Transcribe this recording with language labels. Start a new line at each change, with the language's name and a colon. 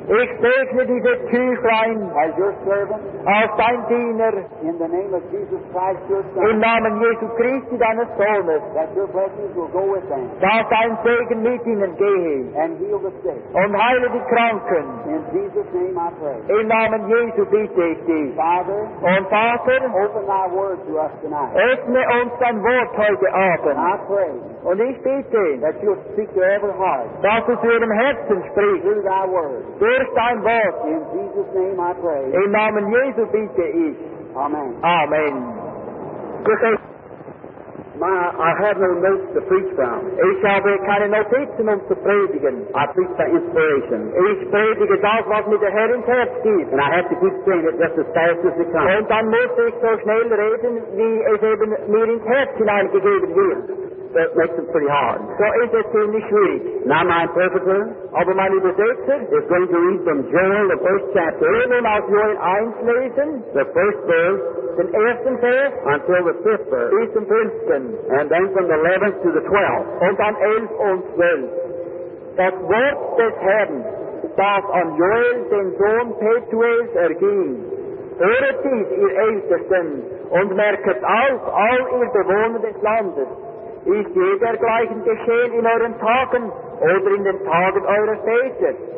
German: Ich segne diese Tüchlein
English: as your servant,
German: als dein Diener,
English: in the name of Jesus Christ, your Son,
German: im Namen Jesu Christi, deines Sohnes,
English: that your blessings will go with them,
German: dass dein Segen mit ihnen gehe,
English: and heal the sick,
German: und heile die Kranken.
English: In Jesus' name I pray.
German: Im Namen Jesu bitte ich dich.
English: Father,
German: und Vater,
English: open thy word to us tonight.
German: Öffne uns dein Wort heute Abend.
English: I pray.
German: Und ich bitte,
English: that you speak to every heart.
German: Dass du zu jedem Herzen sprichst.
English: Through thy word.
German: Durch dein Wort.
English: In Jesus' name I pray.
German: Im Namen Jesu bitte ich.
English: Amen.
German: Amen.
English: I have no notes to preach from.
German: Ich habe keine Notizen, um zu predigen.
English: I preach by inspiration.
German: Ich predige das, was mir der Herr ins Herz gibt.
English: And I have to keep saying it just as fast as it comes.
German: Und dann muss ich so schnell reden, wie es eben mir ins Herz hineingegeben wird.
English: That makes it pretty hard.
German: So ist es ziemlich schwierig.
English: Now my interpreter,
German: aber mein Übersetzer,
English: is going to read from Joel, the first chapter.
German: Wir nehmen aus Joel 1 lesen.
English: The first verse.
German: Den ersten Vers.
English: Until the fifth verse.
German: Bis zum fünften.
English: And then from the 11th to the 12th.
German: Und dann 11 und 12. Das Wort des Herrn, das an Joel, den Sohn Petuels, erging. Höret dies, ihr Ältesten, und merket auf, all ihr Bewohner des Landes. Ist jedergleichen geschehen in euren Tagen oder in den Tagen eurer Väter?